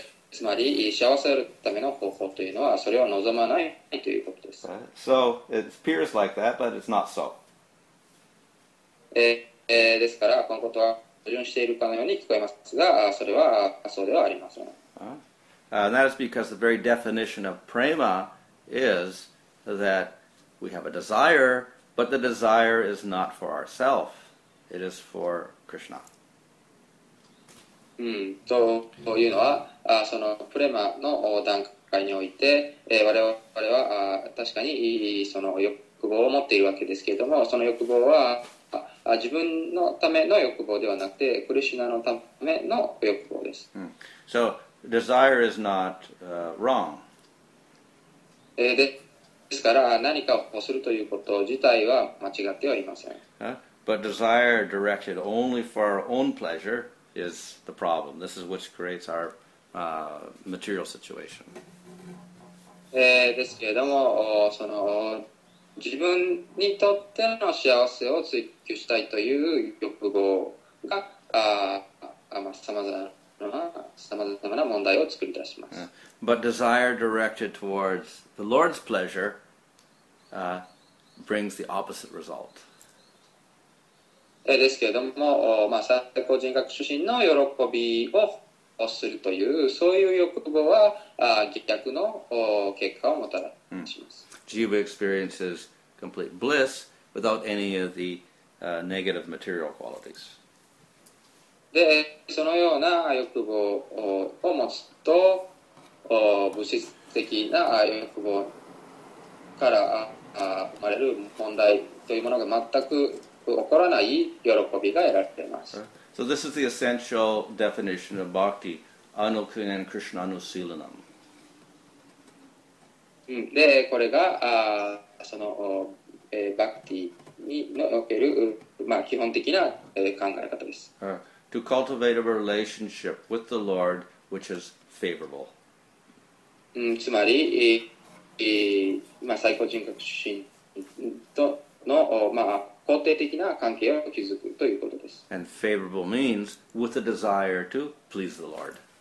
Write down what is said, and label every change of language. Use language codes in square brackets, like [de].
[ja] つまり、幸せるための方法というのはそれを望まないということです。 [en] So it appears like that, but it's not so. [ja] ですから、このことは矛盾しているかのように聞こえますが、それはそうではありません。 [en] And that is because the very definition of prema is that we have a desire, but the desire is not for ourselves; it is for Krishna. [ja] というのは、そのプレマの段階において、我々は確かにその欲望を持っているわけですけれども、その欲望は自分のための欲望ではなくて、クリシュナのための欲望です。 [en] So, desire is not wrong. [ja] ですから何かをするということ自体は間違ってはいません。 [en] But desire directed only for our own pleasure is the problem. This is which creates our material situation. [ja] ですけれども、その自分にとっての幸せを追求したいという欲望が、さまざまな問題を作り出します。 [en] Yeah. But desire directed towards the Lord's pleasure brings the opposite result. [ja] ですけれども、まあ、最高人格出身の喜びをするという、そういう欲望は逆の結果をもたらします。 [en] Jiva experiences complete bliss without any of the negative material qualities. [ja] で、そのような欲望を持つと、物質的な欲望から生まれる問題というものが全く起こらない喜びが得られています。 [en] So this is the essential definition of bhakti, anukhinen krishna anusilanam. [ja] で、これが、その、bhakti における、まあ、基本的な、考え方です。 [en] To cultivate a relationship with the Lord which is favorable. [ja] つまり、まあ、最高人格出身との、まあ、肯定的な関係を築くということです。 [en] And favorable means with a desire to please the Lord.